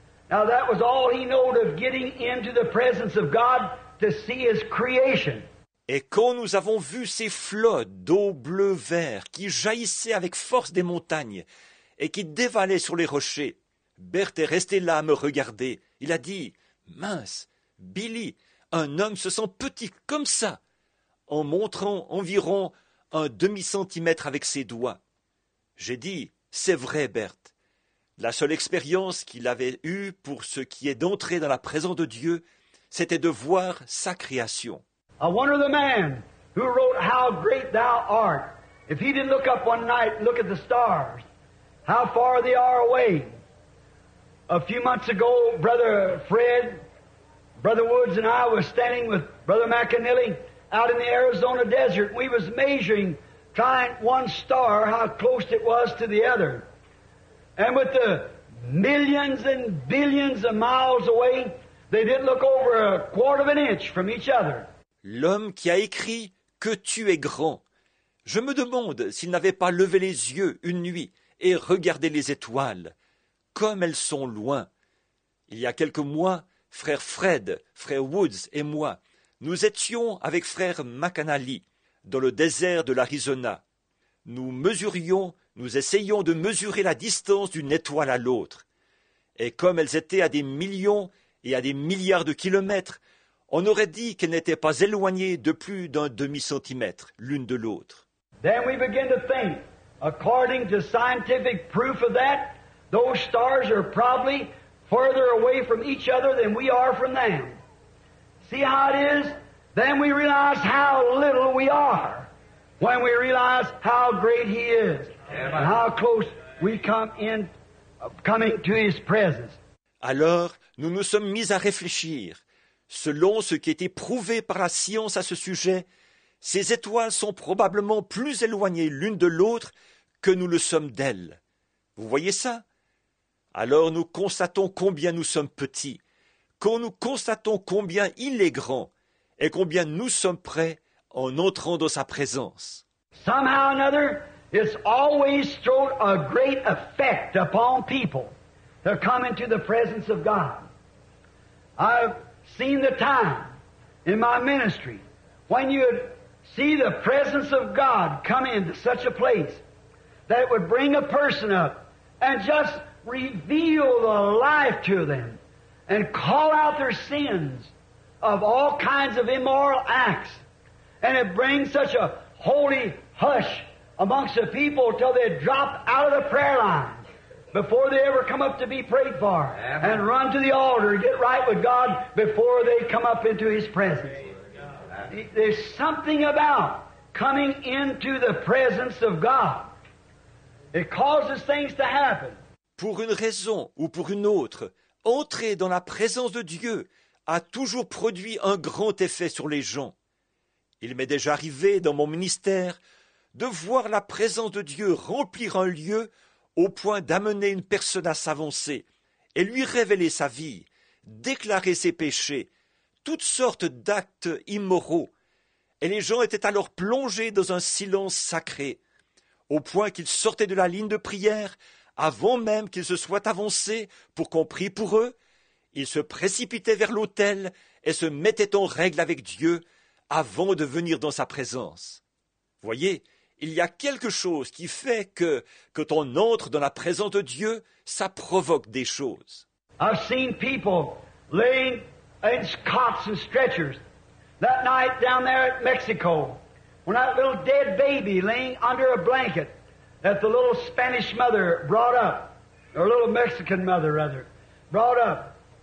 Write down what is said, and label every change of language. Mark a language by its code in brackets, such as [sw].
[en] Now that was all he knew of getting into the presence of God to see his creation. [fr] Et quand nous avons vu ces flots d'eau bleu-vert qui jaillissaient avec force des montagnes et qui dévalaient sur les rochers, Bert est resté là à me regarder. Il a dit, « Mince, Billy, un homme se sent petit comme ça !» en montrant environ un demi-centimètre avec ses doigts. J'ai dit, « C'est vrai, Bert. » La seule expérience qu'il avait eue pour ce qui est d'entrer dans la présence de Dieu, c'était de voir sa création. [en] I wonder the man who wrote "How great thou art." If he didn't look up one night and look at the stars, how far they are away. A few months ago, Brother Fred, Brother Woods and I were standing with Brother McAnally out in the Arizona desert. We was measuring, trying one star, how close it was to the other. And with the millions and billions of miles away, they didn't look over a quarter of an inch from each other. [fr] L'homme qui a écrit « Que tu es grand », je me demande s'il n'avait pas levé les yeux une nuit et regardé les étoiles, comme elles sont loin. Il y a quelques mois, frère Fred, frère Woods et moi, nous étions avec frère McAnally dans le désert de l'Arizona. Nous essayions de mesurer la distance d'une étoile à l'autre. Et comme elles étaient à des millions et à des milliards de kilomètres, on aurait dit qu'elles n'étaient pas éloignées de plus d'un demi-centimètre l'une de l'autre. [en] Then we begin to think, according to scientific proof of that, those stars are probably further away from each other than we are from them. See how it is? Then we realize how little we are when we realize how great He is and how close we come in coming to His presence. [fr] Alors, nous nous sommes mis à réfléchir. Selon ce qui a été prouvé par la science à ce sujet, ces étoiles sont probablement plus éloignées l'une de l'autre que nous le sommes d'elles. Vous voyez ça? Alors nous constatons combien nous sommes petits, quand nous constatons combien il est grand et combien nous sommes prêts en entrant dans sa présence. [en] Somehow or another, it's always thrown a great effect upon people to come into the presence of God. I've seen the time in my ministry when you would see the presence of God come into such a place that it would bring a person up and just reveal the life to them and call out their sins of all kinds of immoral acts. And it brings such a holy hush amongst the people till they drop out of the prayer line before they ever come up to be prayed for. Amen. And run to the altar and get right with God before they come up into His presence. There's something about coming into the presence of God. It causes things to happen. [fr] Pour une raison ou pour une autre, entrer dans la présence de Dieu a toujours produit un grand effet sur les gens. Il m'est déjà arrivé dans mon ministère de voir la présence de Dieu remplir un lieu au point d'amener une personne à s'avancer et lui révéler sa vie, déclarer ses péchés, toutes sortes d'actes immoraux. et les gens étaient alors plongés dans un silence sacré, au point qu'ils sortaient de la ligne de prière avant même qu'ils se soient avancés pour qu'on prie pour eux. Ils se précipitaient vers l'autel et se mettaient en règle avec Dieu avant de venir dans sa présence. Voyez, il y a quelque chose qui fait que, quand on entre dans la présence de Dieu, ça provoque des choses. [en] I've seen people laying in cots and stretchers that night down there at Mexico, when that little dead baby laying under a blanket that the little Spanish mother brought up, or little Mexican mother rather, brought up.